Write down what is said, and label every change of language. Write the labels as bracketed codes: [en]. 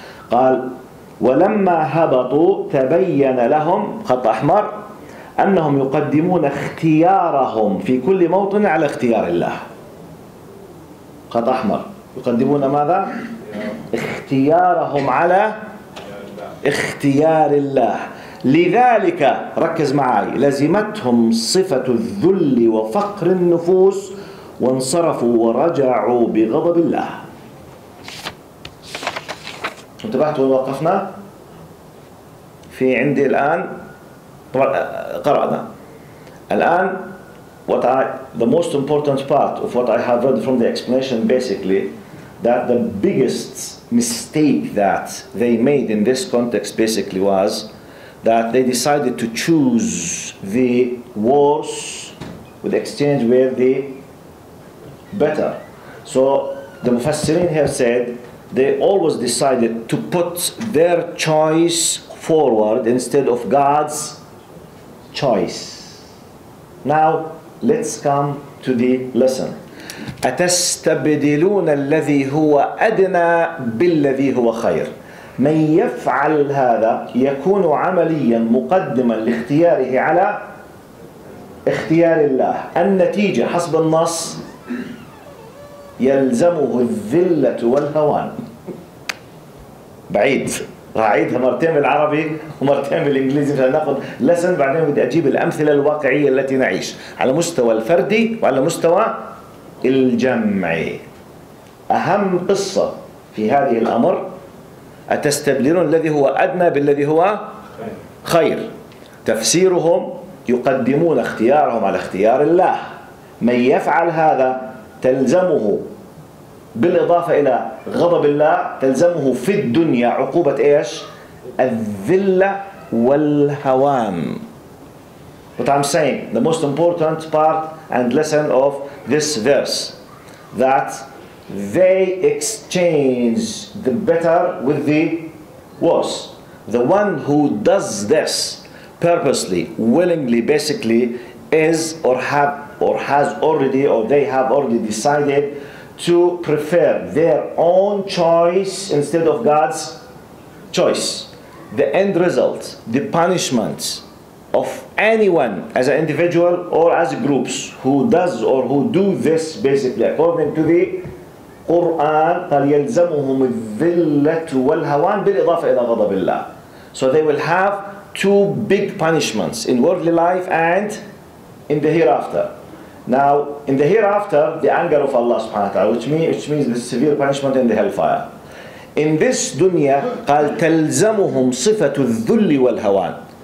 [ar] قال ولما هبطوا تبين لهم خط أحمر أنهم يقدمون اختيارهم في كل موطن على اختيار الله خط أحمر يقدمون ماذا؟ اختيارهم على اختيار الله لذلك ركز معي لزمتهم صفة الذل وفقر النفوس وانصرفوا ورجعوا بغضب الله. انتبهتوا ووقفنا في عندي الآن قرأنا الآن [en] what I the most important part of what I have read from the explanation basically that the biggest mistake that they made in this context basically was that they decided to choose the worse with exchange with the better. So the Mufassirin here said they always decided to put their choice forward instead of God's choice. Now let's come to the lesson. [ar] أتستبدلون الذي هو أدنى بالذي هو خير. من يفعل هذا يكون عمليا مقدما لاختياره على اختيار الله. النتيجة حسب النص يلزمه الذلة والهوان. بعيد أعيدها مرتين بالعربي ومرتين بالإنجليزي عشان نأخذ لسن بعدين بدي أجيب الأمثلة الواقعية التي نعيش على مستوى الفردي وعلى مستوى الجمعي. أهم قصة في هذه الأمر أتستبدلون الذي هو أدنى بالذي هو خير. تفسيرهم يقدمون اختيارهم على اختيار الله. من يفعل هذا تلزمه بالإضافة إلى غضب الله تلزمه في الدنيا عقوبة إيش؟ الذلة والهوان. [en] What I'm saying, the most important part and lesson of this verse that they exchange the better with the worse. The one who does this purposely, willingly, basically is or have or has already or they have already decided to prefer their own choice instead of God's choice. The end result, the punishment of anyone as an individual or as groups who does or who do this basically according to the Quran, [ar] فَلْيَلْزَمُهُمُ الذِّلَّةُ وَالْهَوَانُ بِالْإِضَافَ إِلَى غَضَبِ اللَّهِ. [en] So they will have two big punishments in worldly life and in the hereafter. Now, in the hereafter, the anger of Allah subhanahu wa ta'ala, which means the severe punishment in the hellfire. In this dunya, [ar] قال تلزمهم صفة الذل والهوان.